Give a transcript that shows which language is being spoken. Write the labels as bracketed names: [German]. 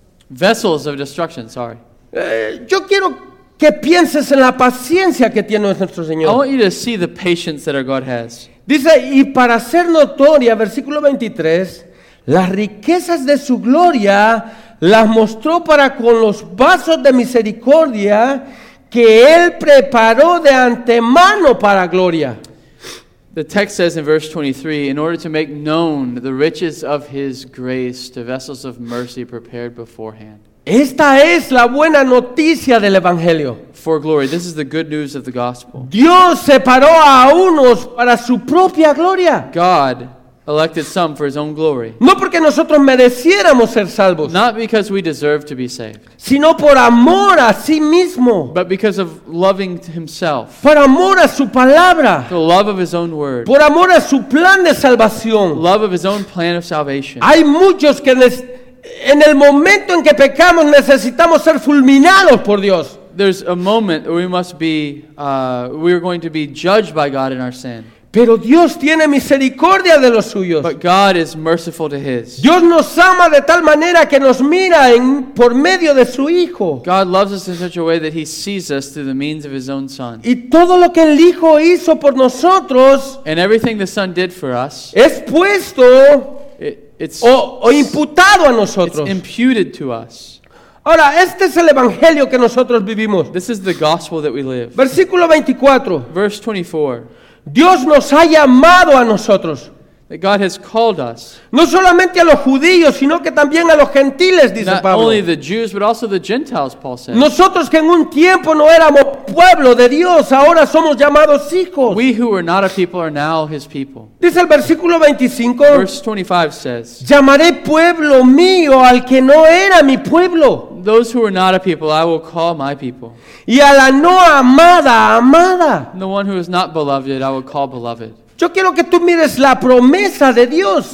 [English] Vessels of destruction, sorry. [Spanish] Yo quiero que pienses en la paciencia que tiene nuestro Señor. [English] I want you to see the patience that our God has. [Spanish] Dice, y para ser notoria, versículo 23, las riquezas de su gloria las mostró para con los vasos de misericordia que él preparó de antemano para gloria. [English] The text says in verse 23, in order to make known the riches of his grace to vessels of mercy prepared beforehand. [Spanish] Esta es la buena noticia del Evangelio. [English] For glory. This is the good news of the gospel. [Spanish] Dios separó a unos para su propia gloria. [English] God elected some for his own glory. [Spanish] No porque nosotros mereciéramos ser salvos. [English] Not because we deserve to be saved. [Spanish] Sino por amor a sí mismo. [English] But because of loving himself. [Spanish] Por amor a su palabra. [English] The love of his own word. [Spanish] Por amor a su plan de salvación. [English] Love of his own plan of salvation. [Spanish] Hay muchos que en el momento en que pecamos necesitamos ser fulminados por Dios. [English] There's a moment where we're going to be judged by God in our sin. [Spanish] Pero Dios tiene misericordia de los suyos. [English] But God is merciful to his. [Spanish] Dios nos ama de tal manera que nos mira por medio de su Hijo. [English] God loves us in such a way that he sees us through the means of his own Son. [Spanish] Y todo lo que el Hijo hizo por nosotros, [English] and everything the Son did for us, [Spanish] es puesto, [English] it's [Spanish] imputado a nosotros. [English] It's imputed to us. [Spanish] Ahora, este es el evangelio que nosotros vivimos. [English] This is the gospel that we live. [Spanish] Versículo 24. [English] Verse 24. [Spanish] Dios nos ha llamado a nosotros. [English] That God has called us. [Spanish] No solamente a los judíos, sino que también a los gentiles, dice [English] Not [Spanish] Pablo. [English] Not only the Jews, but also the Gentiles, Paul says. [Spanish] Nosotros que en un tiempo no éramos pueblo de Dios, ahora somos llamados hijos. [English] We who were not a people are now his people. [Spanish] Dice el versículo 25. [English] Verse 25 says. [Spanish] Llamaré pueblo mío al que no era mi pueblo. [English] Those who are not a people, I will call my people. [Spanish] Y a la no amada, amada. [English] The one who is not beloved, I will call beloved. [Spanish] Yo quiero que tú mires la promesa de Dios.